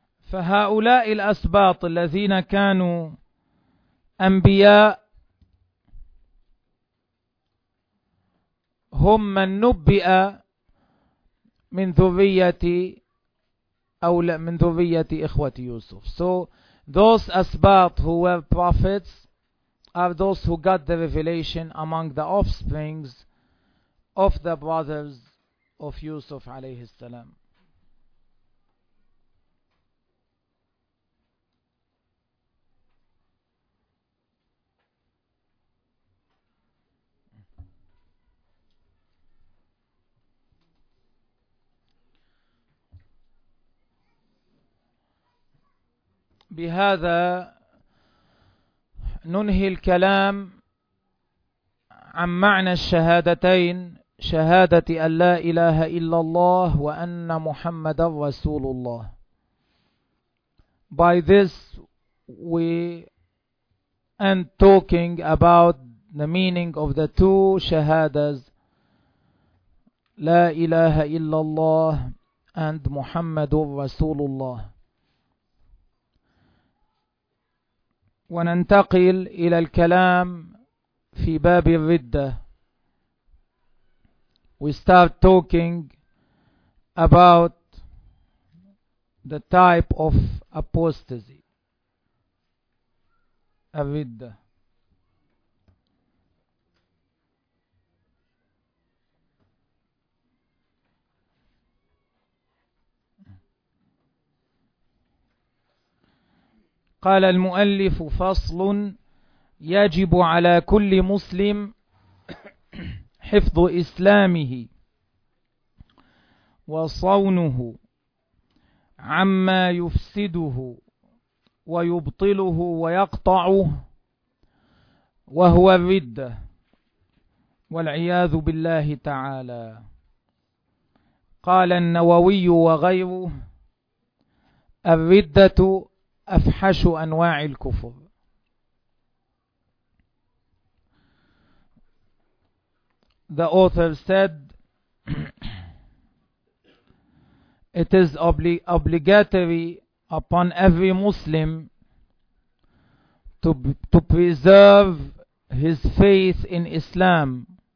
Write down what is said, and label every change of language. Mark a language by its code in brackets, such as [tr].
[ar] فهؤلاء الأسباط الذين كانوا أنبياء هم من نبئ من ذرية أو من ذرية إخوة يوسف. [en] So those asbat who were prophets are those who got the revelation among the offsprings of the brothers of Yusuf alayhi salam. [ar] بهذا ننهي الكلام عن معنى الشهادتين شهادة أن لا إله إلا الله وأن محمد رسول الله. [en] By this we end talking about the meaning of the two shahadas [ar] لا إله إلا الله [en] and [ar] محمد رسول الله. وننتقل إلى الكلام في باب الردة. [en] We start talking about the type of apostasy. [ar] الردة. قال المؤلف فصل يجب على كل مسلم حفظ إسلامه وصونه عما يفسده ويبطله ويقطعه وهو الردة والعياذ بالله تعالى. قال النووي وغيره الردة أفحش أنواع الكفر. [en] The author said it is obligatory upon every Muslim to preserve his faith in Islam